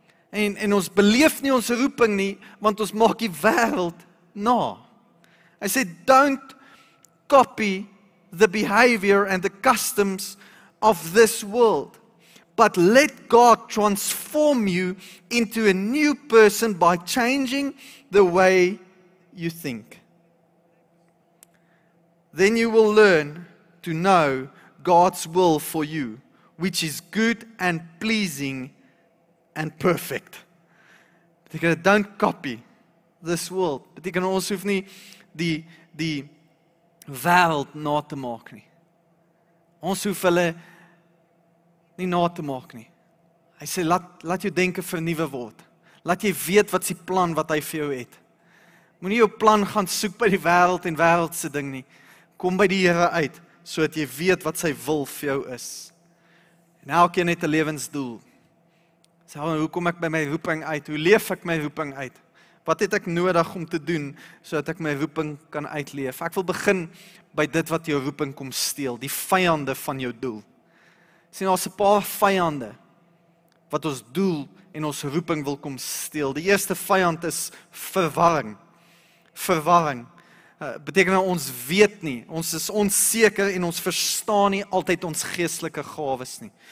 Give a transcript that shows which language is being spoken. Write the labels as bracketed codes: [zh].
[af] En ons beleef nie ons roeping nie, want ons maak die wêreld na. Hy sê, [en] don't copy the behavior and the customs of this world. But let God transform you into a new person by changing the way you think. Then you will learn to know God's will for you, which is good and pleasing and perfect. [af] Beteken, [en] don't copy this world. [af] Beteken, ons hoef nie die wêreld na te maak nie. Ons hoef hulle nie na te maak nie. Hy sê, laat jou denke vernuwe word. Laat jy weet wat die plan wat hy vir jou het. Moenie jou plan gaan soek by die wêreld en wêreldse ding nie. Kom by die Here uit, sodat jy weet wat sy wil vir jou is. En elkeen het 'n lewensdoel. Sê, hoe kom ek by my roeping uit? Hoe leef ek my roeping uit? Wat het ek nodig om te doen, sodat ek my roeping kan uitleef? Ek wil begin by dit wat jou roeping kom steel, die vyande van jou doel. Sien, daar's 'n paar vyande wat ons doel en ons roeping wil kom steel. Die eerste vyand is verwarring. Verwarring. Beteken dat ons weet nie, ons is onseker en ons verstaan nie altyd ons geestelike gawes nie.